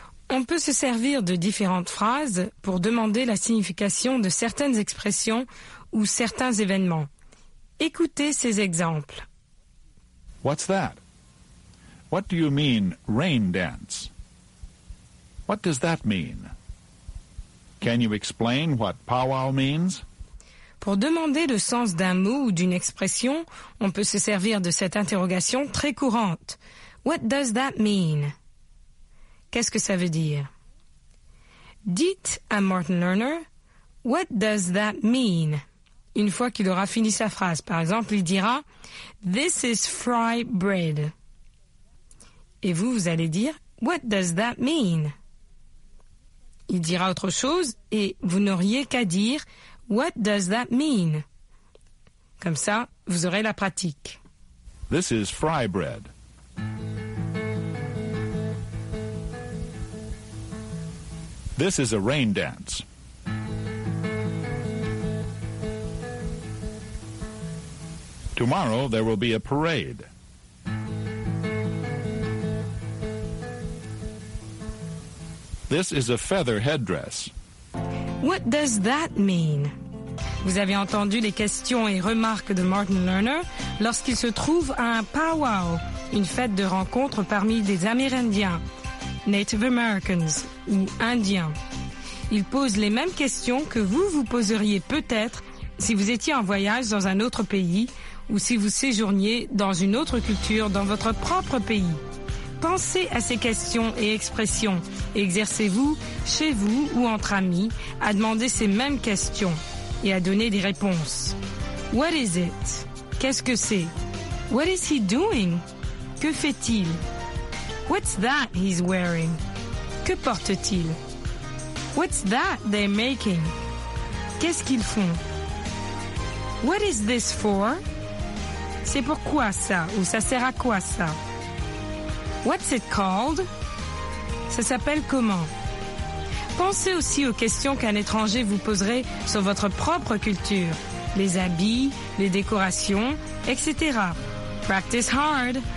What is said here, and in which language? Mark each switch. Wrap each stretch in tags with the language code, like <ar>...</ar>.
<fr>On peut se servir de différentes phrases pour demander la signification de certaines expressions ou certains événements. Écoutez ces exemples.</fr> <en>What's that? What do you mean, rain dance? What does that mean? Can you explain what powwow means?</en> <fr>Pour demander le sens d'un mot ou d'une expression, on peut se servir de cette interrogation très courante.</fr> <en>What does that mean?</en> <fr>Qu'est-ce que ça veut dire? Dites à</fr> <en>Martin Lerner, What does that mean?</en> <fr>Une fois qu'il aura fini sa phrase, par exemple, il dira,</fr> <en>This is fry bread.</en> <fr>Et vous, vous allez dire,</fr> <en>What does that mean?</en> <fr>Il dira autre chose et vous n'auriez qu'à dire What does that mean? Comme ça, vous aurez la pratique.</fr> <en>This is fry bread. This is a rain dance. Tomorrow there will be a parade. This is a feather headdress. What does that mean?</en> <fr>Vous avez entendu les questions et remarques de Martin Lerner lorsqu'il se trouve à un powwow, une fête de rencontre parmi des Amérindiens, Native Americans ou Indiens. Il pose les mêmes questions que vous vous poseriez peut-être si vous étiez en voyage dans un autre pays ou si vous séjourniez dans une autre culture dans votre propre pays. Pensez à ces questions et expressions. Exercez-vous, chez vous ou entre amis, à demander ces mêmes questions et à donner des réponses.</fr> <en>What is it?</en> <fr>Qu'est-ce que c'est?</fr> <en>What is he doing?</en> <fr>Que fait-il?</fr> <en>What's that he's wearing?</en> <fr>Que porte-t-il?</fr> <en>What's that they're making?</en> <fr>Qu'est-ce qu'ils font?</fr> <en>What is this for?</en> <fr>C'est pourquoi ça ou ça sert à quoi ça?</fr> <en>What's it called?</en> <fr>Ça s'appelle comment? Pensez aussi aux questions qu'un étranger vous poserait sur votre propre culture, les habits, les décorations, etc.</fr> <en>Practice hard.</en>